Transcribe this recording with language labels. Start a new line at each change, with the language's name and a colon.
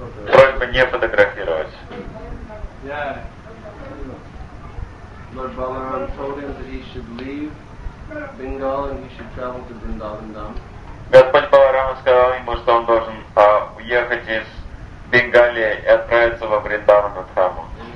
Russian: Просьба не фотографировать.
English: Lord Balaram told him that he should leave Bengal and he should travel to Vrindavan Dham.
Russian: Господь Баларама сказал ему, что он должен уехать из Бенгалии и отправиться во Вриндавана Дхаму.